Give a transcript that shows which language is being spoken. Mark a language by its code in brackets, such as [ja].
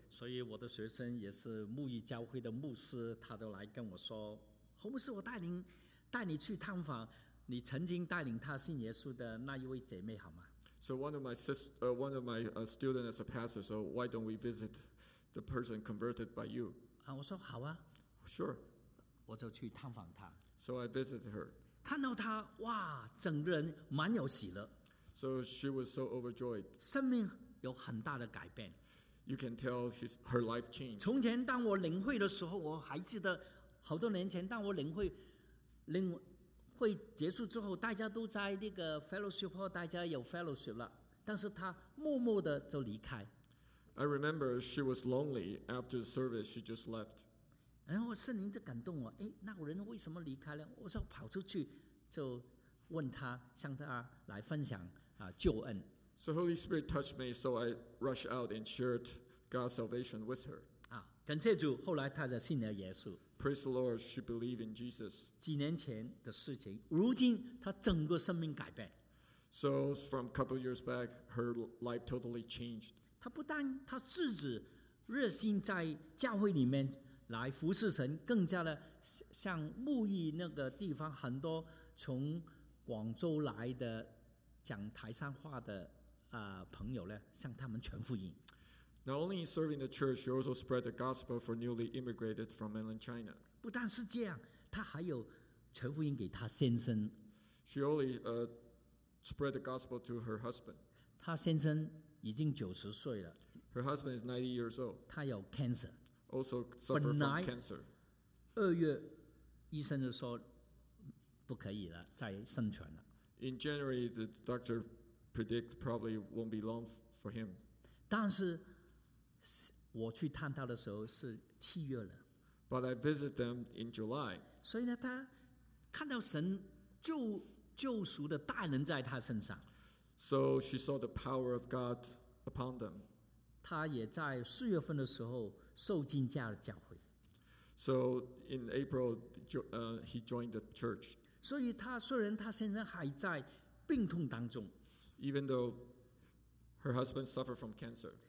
[zh] 所以我的学生也是牧义教会的牧师，他就来跟我说：“侯牧师，我带你去探访你曾经带领他信耶稣的那一位姐妹，好吗？” [en] So one of my sister, one of my student as a pastor. So why don't we visit the person converted by you? [zh] 我说好啊。 [en] Sure. [zh] 我就去探访他。 [en] So I visited her. [zh] 看到她，哇，整个人满有喜乐。 [en] So she was so overjoyed. [zh] 生命有很大的改变。 [en] You can tell her life changed. [zh] 从前当我领会的时候，我还记得好多年前，当我领会结束之后，大家都在那个 fellowship， 大家有 fellowship 了，但是她默默的就离开。 [en] I remember she was lonely after the service. She just left. [zh] 然后圣灵就感动我，哎，那个人为什么离开呢？我说跑出去，就问他，向他来分享救恩。 [en] So Holy Spirit touched me, so I rushed out and shared God's salvation with her. [zh] 感谢主，后来她就信了耶稣。 [en] Praise the Lord, she believed in Jesus. [zh] 几年前的事情，如今她整个生命改变。 [en] So from a couple of years back, her life totally changed. [zh] 她不但她自己热心在教会里面来服侍神，更加的像牧义那个地方很多从广州来的讲台上话的朋友呢，向他们传福音。 [en] Not only in serving the church, she also spread the gospel for newly immigrated from mainland China. [zh] 不但是这样，她还有传福音给她先生。 [en] She only spread the gospel to her husband. [zh] 她先生已经90岁了。 [en] Her husband is 90 years old. [zh] 她有 cancer. [en] Also suffer from cancer. [zh] 二月医生就说不可以了，再生存了。 [en] In January, the doctor predicted probably won't be long for him. [zh] 但是我去探他的时候是七月了。 [en] But I visited them in July. [zh] 所以呢，他看到神救赎的大能在他身上。 [en] So she saw the power of God upon them. [zh] 他也在四月份的时候受浸加入教会。 [en] So in April, he joined the church. [zh] 所以他虽然他先生还在病痛当中 [en] ，even though her husband suffered from cancer.